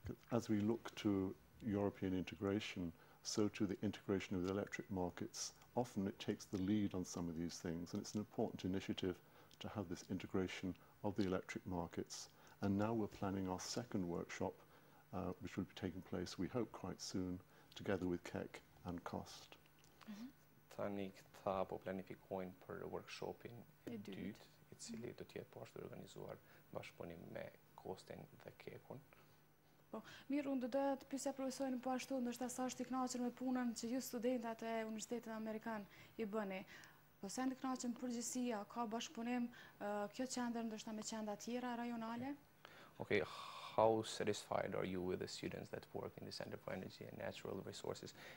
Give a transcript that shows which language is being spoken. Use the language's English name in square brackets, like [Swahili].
[English] As we look to European integration, so to the integration of the electric markets, often it takes the lead on some of these things, and it's an important initiative to have this integration of the electric markets. And now we're planning our second workshop, which will be taking place, we hope, quite soon, together with KEK and COST. [Albanian] Tani këta po planifikojnë për workshopin e dytë, i cili do të jetë pashtu organizuar bashkëpunim me COST-in dhe KEK-un. Po, mirë, unë doja të pyesja profesorin po ashtu, ndoshta sa është i kënaqur me punën që ju studentat e Universitetit Amerikan i bëni. Po sa janë të kënaqur në përgjithësi, a ka bashkëpunim kjo qendër ndoshta me qendra tjera rajonale? [English] Okay, how satisfied are you with the students that work in the Center for Energy and Natural Resources?